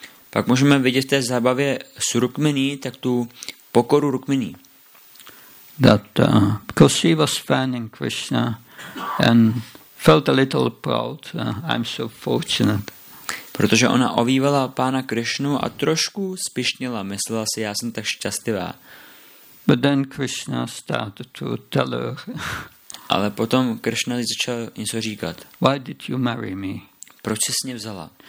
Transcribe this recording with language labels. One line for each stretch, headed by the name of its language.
Czech: Pak můžeme vidět v té zábavě s Rukmini, tak tu pokoru Rukmini.
English: That because she was fanning Krishna and felt a little proud, I'm so fortunate.
Czech: Protože ona ovívala pána Krišnu a trošku spišněla, myslela si, já jsem tak šťastivá.
English: But then Krishna started to tell her.
Czech: Ale potom Krishna začal něco říkat.
English: Why did you marry me?
Czech: Proč jsi mě vzala?